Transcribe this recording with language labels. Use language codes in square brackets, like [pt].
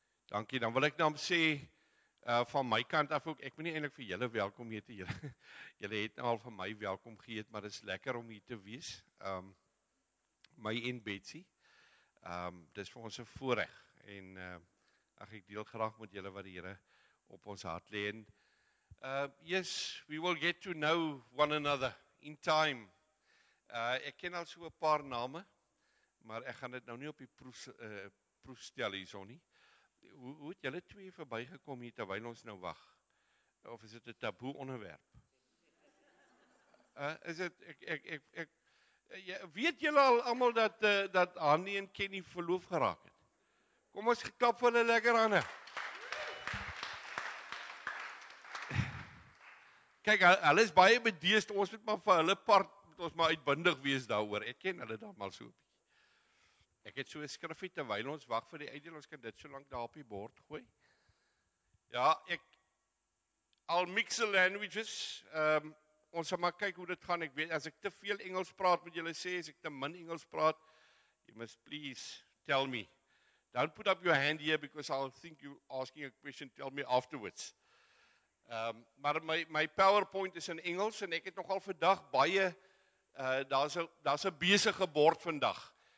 [af] Dankie, dan wil ek nou sê van my kant af ook, ek wil nie eintlik vir julle welkom hê te julle. Julle het nou al vir my welkom geheet, maar dit is lekker om hier te wees. My en Betsy. Dis vir ons 'n voorreg en ek deel graag met julle wat die Here op ons hart lê. [en] Yes, we will get to know one another in time. [af] Ek ken al so 'n paar name, maar ek gaan dit nou nie op die proef stel hierso nie. Hoe het julle twee verbygekom hier terwyl ons nou wag? Of is dit 'n taboe onderwerp? Is dit weet julle al almal dat dat Hanie en Kenny verloof geraak het? Kom ons klap vir hulle lekker hande. Kyk, hulle is baie bedeesd, ons moet maar vir hulle part, moet ons maar uitbundig wees daaroor. Ek ken hulle dan maar so 'n bietjie. Ek het so 'n skriffie terwyl ons wag vir die uitdeel, ons kan dit so lank daar op die bord gooi. Ja, ek al [en] mix the languages. [af] Ons sal maar kyk hoe dit gaan. Ek weet as ek te veel Engels praat, moet julle sê, as ek te min Engels praat, [en] you must please tell me. Don't put up your hand here because I'll think you asking a question, tell me afterwards. [af] Maar my PowerPoint is in Engels en ek het nogal vandag baie daar's 'n besige bord vandag.